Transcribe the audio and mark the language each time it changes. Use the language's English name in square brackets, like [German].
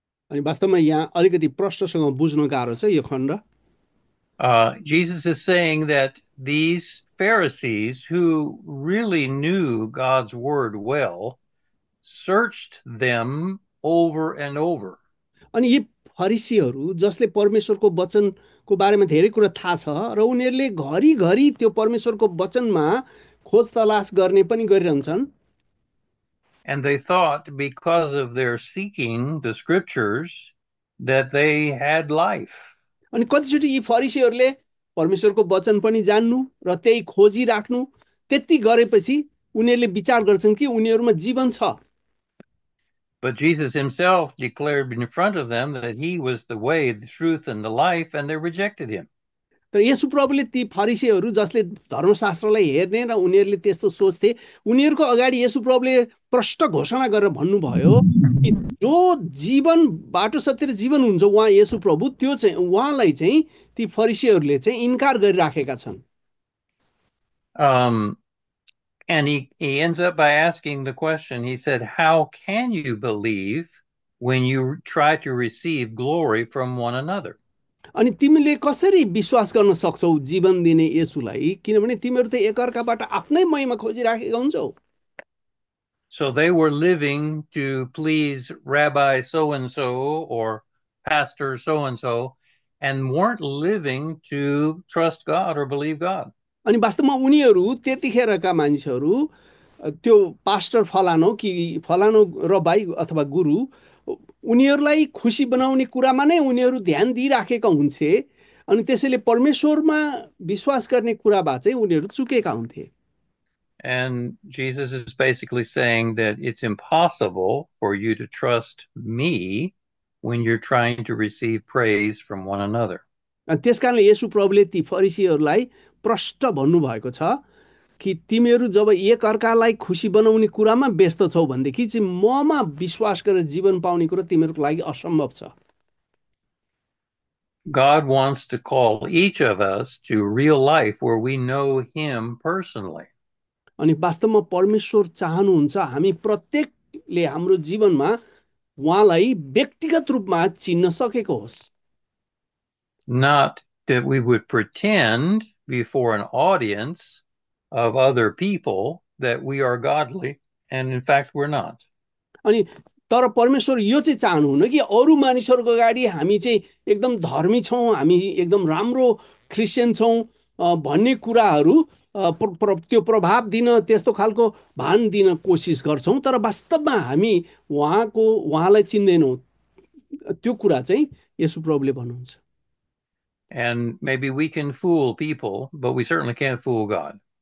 [Nepali] अनि वास्तवमा यहाँ अलिकति प्रश्नसँग बुझ्न गाह्रो छ यो खण्ड। [English] Jesus is saying that these Pharisees, who really knew God's word well, searched them over and over. [Nepali] अनि यी फरिसीहरू जसले परमेश्वरको वचनको बारेमा धेरै कुरा थाहा छ, र उनीहरूले घरिघरि त्यो परमेश्वरको वचनमा खोज तलास गर्ने पनि गरिरहन्छन्। [English] And they thought because of their seeking the scriptures that they had life. [Nepali] अनि कतिचोटि यी फरिसीहरूले परमेश्वरको वचन पनि जान्नु र त्यही खोजिराख्नु त्यति गरेपछि उनीहरूले विचार गर्छन् कि उनीहरूमा जीवन छ। [English] But Jesus himself declared in front of them that he was the way, the truth, and the life, and they rejected him. [Nepali] तर येशुप्रभुले ती फरिसीहरू जसले धर्मशास्त्रलाई हेर्ने र उनीहरूले त्यस्तो सोच्थे उनीहरूको अगाडि येशुप्रभुले प्रष्ट घोषणा गरेर भन्नुभयो कि जो जीवन बाटो सत्य र जीवन हुन्छ उहाँ येशुप्रभु त्यो चाहिँ उहाँलाई चाहिँ ती फरिसीहरूले चाहिँ इन्कार गरिराखेका छन्। [English] And he ends up by asking the question. He said, "How can you believe when you try to receive glory from one another?" [Nepali] अनि तिमीले कसरी विश्वास गर्न सक्छौ जीवन दिने येशूलाई किनभने तिमीहरू त एकअर्काबाट आफ्नै महिमा खोजिराखेका हुन्छौ। [English] So they were living to please Rabbi so and so or Pastor so and so, and weren't living to trust God or believe God. [Nepali] अनि वास्तवमा उनीहरू त्यतिखेरका मानिसहरू त्यो पास्टर फलानो कि फलानो र भाइ अथवा गुरु उनीहरूलाई खुसी बनाउने कुरामा नै उनीहरू ध्यान दिइराखेका हुन्थे अनि त्यसैले परमेश्वरमा विश्वास गर्ने कुराबाट चाहिँ उनीहरू चुकेका हुन्थे। [English] And Jesus is basically saying that it's impossible for you to trust me when you're trying to receive praise from one another. [Nepali] त्यसकारणले येशुप्रभुले ती फरिसीहरूलाई प्रष्ट भन्नुभएको छ कि तिमीहरू जब एकअर्कालाई खुसी बनाउने कुरामा व्यस्त छौ भनेदेखि चाहिँ ममा विश्वास गरेर जीवन पाउने कुरा तिमीहरूको लागि असम्भव छ। [English] God wants to call each of us to real life where we know Him personally. [Nepali] अनि वास्तवमा परमेश्वर चाहनुहुन्छ हामी प्रत्येकले हाम्रो जीवनमा उहाँलाई व्यक्तिगत रूपमा चिन्न सकेको होस्। [English] Not that we would pretend before an audience of other people that we are godly, and in fact, we're not. [Nepali] अनि तर परमेश्वर यो चाहिँ चाहनुहुन्न कि अरू मानिसहरूको अगाडि हामी चाहिँ एकदम धर्मी छौँ हामी एकदम राम्रो क्रिस्चियन छौँ भन्ने कुराहरू त्यो प्रभाव दिन त्यस्तो खालको भान दिन कोसिस गर्छौँ तर वास्तवमा हामी उहाँलाई चिन्दैनौँ त्यो कुरा चाहिँ येशुप्रभुले भन्नुहुन्छ। [English] And maybe we can fool people, but we certainly can't fool God.